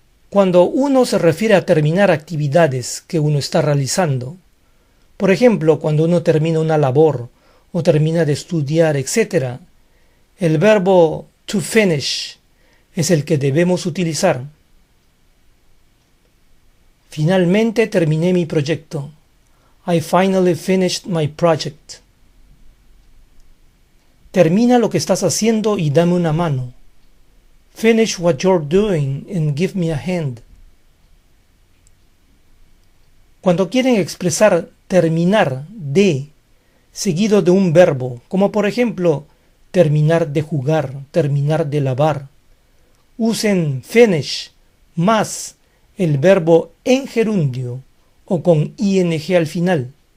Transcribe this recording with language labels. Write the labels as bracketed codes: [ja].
[es] Cuando uno se refiere a terminar actividades que uno está realizando, por ejemplo, cuando uno termina una labor o termina de estudiar, etc., el verbo to finish es el que debemos utilizar. Finalmente terminé mi proyecto. [en] I finally finished my project. [es] Termina lo que estás haciendo y dame una mano. [en] Finish what you're doing and give me a hand. [es] Cuando quieren expresar terminar de seguido de un verbo, como por ejemplo terminar de jugar, terminar de lavar, usen finish más el verbo en gerundio o con ing al final.